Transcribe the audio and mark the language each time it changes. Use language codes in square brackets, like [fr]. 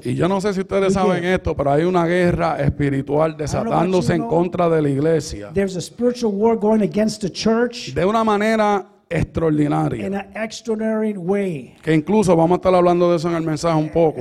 [es] Y yo no sé si ustedes saben esto, pero hay una guerra espiritual desatándose en contra de la iglesia. [en] There's a spiritual war going against the church. [es] De una manera extraordinaria. [en] In an extraordinary way. [es] Que incluso vamos a estar hablando de eso en el mensaje un poco.